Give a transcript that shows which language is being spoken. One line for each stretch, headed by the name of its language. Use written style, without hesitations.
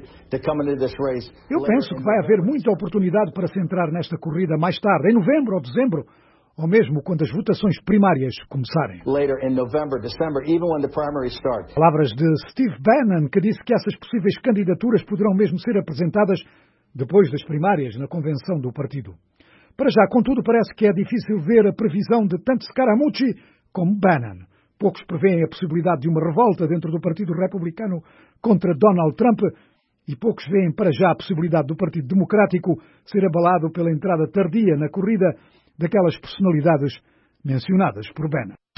Portuguese: Eu penso que vai haver muita oportunidade para se entrar nesta corrida mais tarde, em novembro ou dezembro, ou mesmo quando as votações primárias começarem.
English: Later in November, December, even when the primaries start.
Portuguese: Palavras de Steve Bannon, que disse que essas possíveis candidaturas poderão mesmo ser apresentadas depois das primárias na convenção do partido. Para já, contudo, parece que é difícil ver a previsão de tanto Scaramucci como Bannon. Poucos preveem a possibilidade de uma revolta dentro do Partido Republicano contra Donald Trump e poucos veem para já a possibilidade do Partido Democrático ser abalado pela entrada tardia na corrida daquelas personalidades mencionadas por Bannon.